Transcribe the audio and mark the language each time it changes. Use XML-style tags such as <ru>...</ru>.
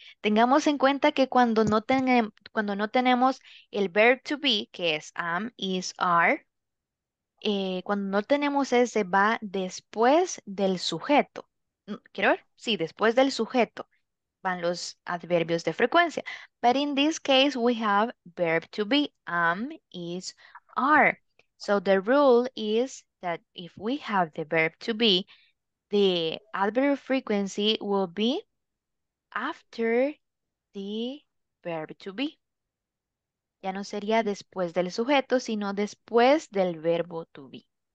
<es>Tengamos en cuenta que cuando no tenemos el verb to be, que es am, is, are, cuando no tenemos ese, va después del sujeto. ¿Quiero ver? Sí, después del sujeto van los adverbios de frecuencia.</es> <en>But in this case, we have verb to be, am, is, are. So the rule is that if we have the verb to be, the adverb frequency will be after the verb to be.</en> <es>Ya no sería después del sujeto, sino después del verbo to be.</es>